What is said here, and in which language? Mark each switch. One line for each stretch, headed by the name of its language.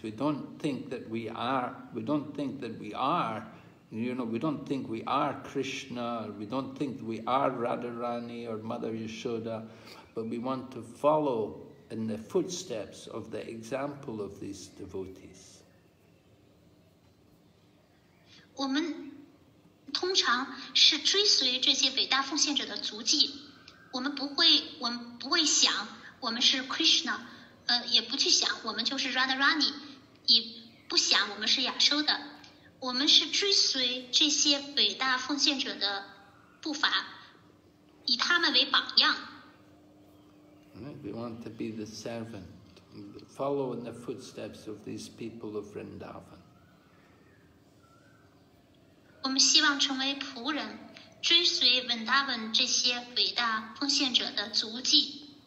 English: We don't think that we are, we don't think we are Krishna, or we don't think we are Radharani or Mother Yashoda, but we want to follow in the footsteps of the example of these devotees.
Chinese: 我们通常是追随这些伟大奉献者的足迹。我们不会想我们是 Krishna， 也不去想我们就是 Radharani， 也不想我们是亚修的。我们是追随这些伟大奉献者的步伐，以他们为榜样。
English: We want to be the servant, follow in the footsteps of these people of Vrindavan.
Chinese: 我们希望成为仆人。追随 Vrindavan 这些伟大奉献者的足迹。